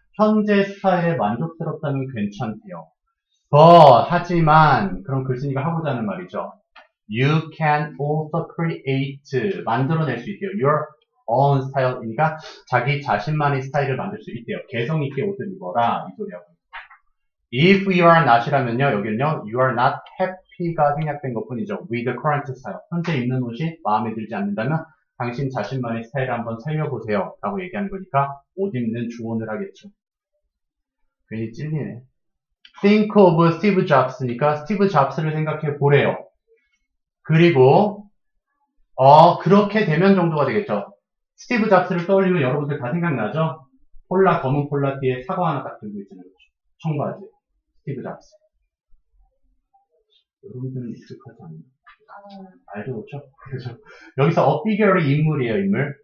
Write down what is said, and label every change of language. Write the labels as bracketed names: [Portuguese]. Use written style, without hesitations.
[Korean] 현재 스타일에 만족스럽다면 괜찮대요. [English] But, [Korean] 하지만, 그럼 글쓴이가 하고자 하는 말이죠. [English] You can also create. [Korean] 만들어낼 수 있대요. [English] Your own style [Korean] 이니까 자기 자신만의 스타일을 만들 수 있대요. 개성 있게 옷을 입어라. 이 소리하고. [English] If you are not [Korean] 이라면요, 여기는요, [English] you are not happy [Korean] 가 생략된 것뿐이죠. [English] With the current style. [Korean] 현재 입는 옷이 마음에 들지 않는다면, 당신 자신만의 스타일을 한번 살려보세요. 라고 얘기하는 거니까, 옷 입는 조언을 하겠죠. 괜히 찔리네. [English] Think of Steve Jobs [Korean] 니까, Steve Jobs를 생각해 보래요. 그리고, 그렇게 되면 정도가 되겠죠. Steve Jobs를 떠올리면 여러분들 다 생각나죠? 폴라, 검은 폴라 뒤에 사과 하나 딱 들고 있잖아요. 청바지. 스티브 잡스. 여러분들은 익숙하지 않나요? 알죠, 그렇죠? 그래서 여기서 [English] a figure [Korean] 의 인물이에요, 인물.